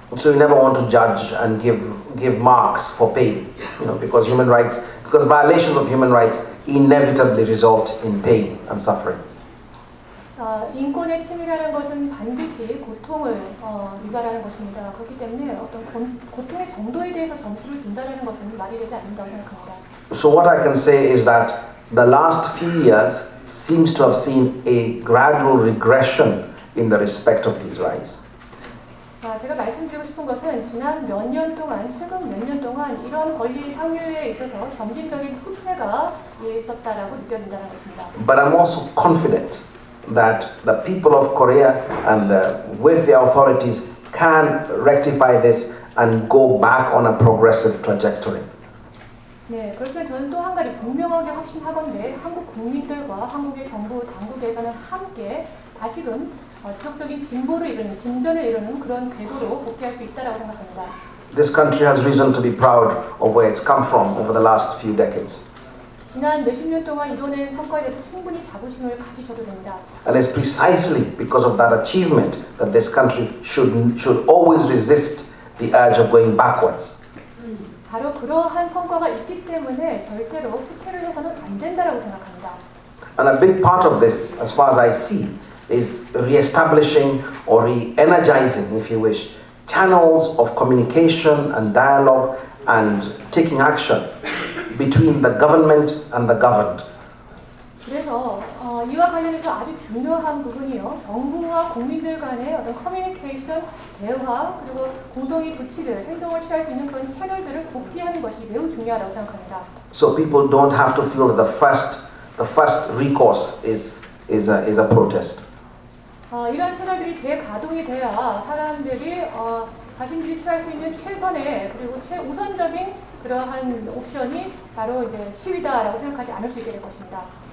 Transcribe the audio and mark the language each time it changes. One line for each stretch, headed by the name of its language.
English: So you never want to judge and give marks for pain, you know, because violations of human rights inevitably result in pain and suffering.
Korean: 인권의 침해라는 것은 반드시 고통을 유발하는 것입니다. 그렇기 때문에 어떤 고통의 정도에 대해서 점수를 준다는 것은 말이 되지 않는다고 생각합니다.
English: So what I can say is that the last few years seems to have seen a gradual regression in the respect of these rights.
Korean: 제가 말씀드리고 싶은 것은 지난 몇 년 동안, 최근 몇 년 동안 이런 권리 향유에 있어서 점진적인 후퇴가 있었다라고 느껴진다는 것입니다.
English: But I'm also confident that the people of Korea and the, with the authorities can rectify this and go back on a progressive trajectory.
Korean: 네, 그렇지만 저는 또 한 가지 분명하게 확신하건대 한국 국민들과 한국의 정부 당국에서는 함께 다시금 지속적인 진보를 이루는, 진전을 이루는 그런 궤도로 복귀할 수 있다고 생각합니다.
English: This country has reason to be proud of where it's come from over the last few decades.
Korean: 지난 몇십 년 동안 이뤄낸 성과에 대해서 충분히 자부심을 가지셔도 됩니다.
English: And it's precisely because of that achievement that this country should always resist the urge of going backwards.
Korean: 바로 그러한 성과가 있기 때문에 절대로 후퇴를 해서는 안 된다고 생각합니다.
English: And a big part of this, as far as I see, is re-establishing or re-energizing, if you wish, channels of communication and dialogue and taking action between the government and the governed.
Korean: 그래서 이와 관련해서 아주 중요한 부분이요. 정부와 국민들 간의 어떤 커뮤니케이션, 대화, 그리고 공동의 조치를, 행동을 취할 수 있는 그런 채널들을 복귀하는 것이 매우 중요하다고 생각합니다.
English: So people don't have to feel the first recourse is a protest.
Korean: 이런 채널들이 재가동이 돼야 사람들이 자신들이 취할 수 있는 최선의 그리고 최우선적인 그러한 옵션이 바로 이제 시위다라고 생각하지 않을 수 있게 될 것입니다.